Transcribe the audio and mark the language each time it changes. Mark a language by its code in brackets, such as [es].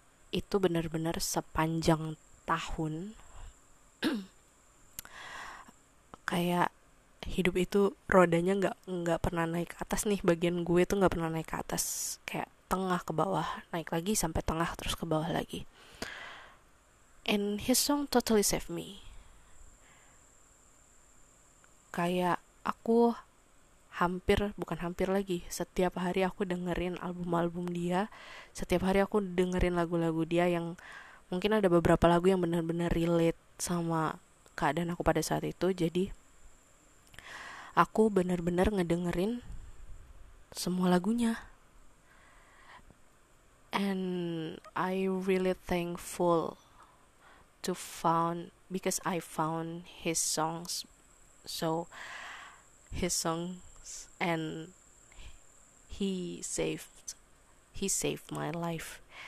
[id] Itu benar-benar sepanjang tahun kayak hidup itu rodanya nggak pernah naik ke atas nih. Bagian gue tuh nggak pernah naik ke atas, kayak tengah ke bawah, naik lagi sampai tengah terus ke bawah lagi. [en] And his song totally saved me. [id] Kayak aku hampir, bukan hampir lagi, setiap hari aku dengerin album-album dia, setiap hari aku dengerin lagu-lagu dia, yang mungkin ada beberapa lagu yang benar-benar relate sama keadaan aku pada saat itu. Jadi aku benar-benar ngedengerin semua lagunya. [en] And I really thankful to found, because I found his songs. So his songs, and he saved my life.